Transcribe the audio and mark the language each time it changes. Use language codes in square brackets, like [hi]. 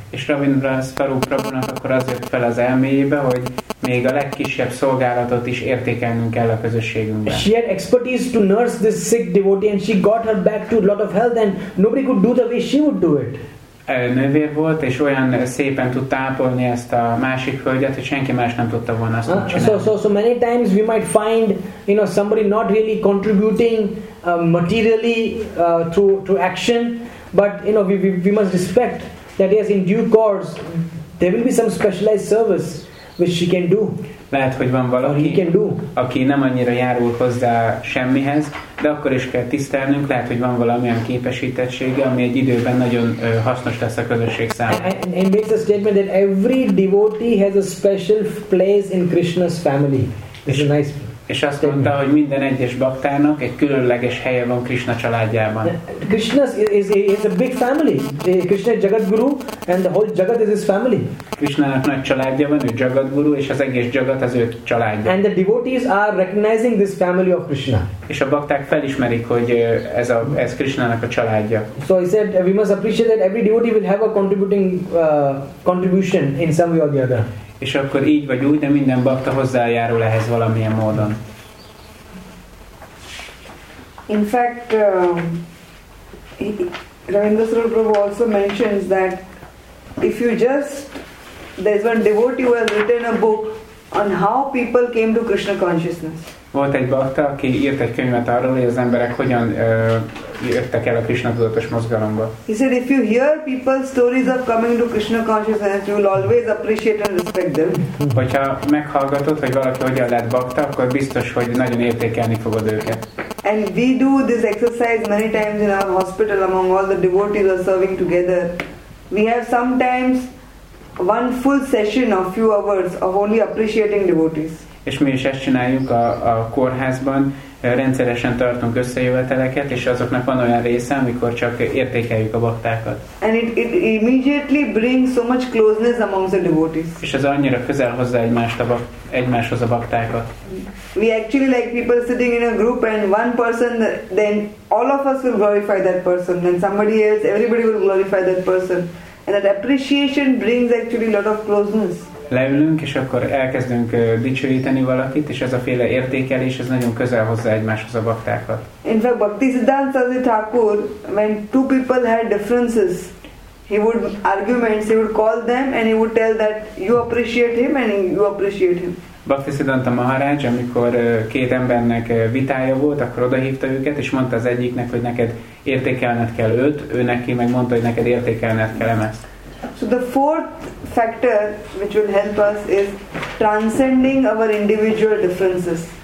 [hu] És Ravindra Swarup Prabhunak akkor az jött fel az elméjébe, hogy még a legkisebb szolgálatot is értékelnünk kell a közösségünkben. [en] She had expertise to nurse this sick devotee and she got her back to a lot of health and nobody could do the way she would do it. [hu] Nővér volt, és olyan szépen tudta ápolni ezt a másik hölgyet, hogy senki más nem tudta volna ezt csinálni. [en] So many times we might find, you know, somebody not really contributing materially to action, but, you know, we must respect that, yes, in due course there will be some specialized service which she can do. [hu] Lehet, hogy van valaki, aki nem annyira járul hozzá semmihez, de akkor is kell tisztelnünk, lehet, hogy van valamilyen képesítettsége, ami egy időben nagyon hasznos lesz a közösség számára. [en] And makes a statement that every devotee has a special place in Krishna's family. This is a nice statement. [hu] És azt mondta, hogy minden egyes baktának egy különleges helye van Krishna családjában. [en] Krishna's is a big family. Krishna is Jagat Guru, and the whole Jagat is his family. [hu] Krishnának nagy családja van, ő Jagat Guru, és az egész Jagat az ő családja. [en] And the devotees are recognizing this family of Krishna. [hu] És a bakták felismerik, hogy ez Krishnának a családja. [en] So he said, we must appreciate that every devotee will have a contribution in some way or the other. [hu] És akkor így vagy úgy, de minden bakta hozzájárul ehhez valamilyen módon. [en] In fact, Ravindra Sarabhu also mentions that if you just, there's one devotee who has written a book on how people came to Krishna consciousness. [hu] Volt egy bhakta, aki írt egy könyvet arról, hogy az emberek hogyan jöttek el a Krishna tudatos mozgalomba. [en] He said, if you hear people's stories of coming to Krishna consciousness, you will always appreciate and respect them. [hu] Hogyha meghallgatod, hogy valaki hogyan lett bhakta, akkor biztos, hogy nagyon értékelni fogod őket. [en] And we do this exercise many times in our hospital among all the devotees are serving together. We have sometimes one full session of few hours of only appreciating devotees. [hu] És mi is ezt csináljuk a kórházban, rendszeresen tartunk összejöveteleket, és azoknak van olyan része, amikor csak értékeljük a baktákat. [en] And it immediately brings so much closeness among the devotees. [hu] És ez annyira közel hozza egymáshoz a baktákat. [en] We actually like people sitting in a group and one person, then all of us will glorify that person, then somebody else, everybody will glorify that person. And that appreciation brings actually a lot of closeness. [hu] Leülünk, és akkor elkezdünk dicsőíteni valakit, és ez a féle értékelés, ez nagyon közel hozza egymáshoz a baktákat. [en] In fact, Bhakti Siddhanta Sadhu Thakur, when two people had differences, he would arguments, he would call them, and he would tell that you appreciate him, and you appreciate him. [hu] Bhakti Siddhanta Maharaj, amikor két embernek vitája volt, akkor odahívta őket, és mondta az egyiknek, hogy neked értékelned kell őt, ő neki meg mondta, hogy neked értékelned kell emet. [en] So the fourth factor which will help us is transcending our individual differences.